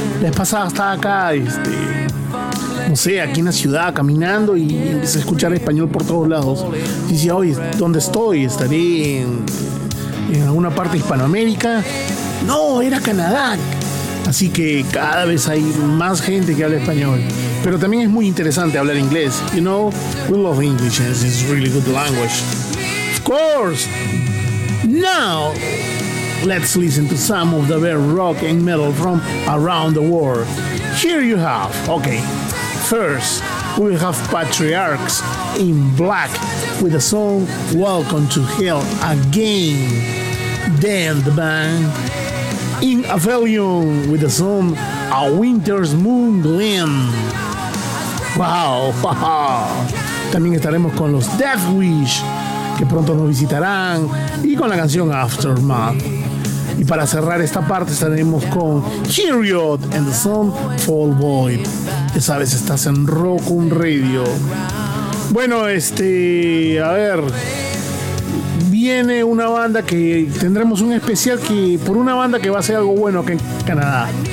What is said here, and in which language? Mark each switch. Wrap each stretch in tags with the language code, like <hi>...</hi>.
<es>La vez pasada estaba acá, no sé, aquí en la ciudad, caminando y empecé a escuchar español por todos lados. Y decía, oye, ¿dónde estoy? ¿Estaré en alguna parte de Hispanoamérica? No, era Canadá. Así que cada vez hay más gente que habla español. Pero también es muy interesante hablar inglés.</es> <en>You know, we love English and it's a really good language. Of course! Now, let's listen to some of the best rock and metal from around the world. Here you have, okay. First, we have Patriarchs in Black with the song Welcome to Hell Again. Then the band In Avellion with the song A Winter's Moon Glim. Wow.</en> <es>También estaremos con los Deathwish, que pronto nos visitarán, y con la canción Aftermath. Y para cerrar esta parte estaremos con Chariot</es> <en>and the song Fall Void.</en> <es>Ya sabes, estás en Rockum Radio. Bueno, a ver, viene una banda que tendremos un especial que por una banda que va a ser algo bueno aquí en Canadá.</es>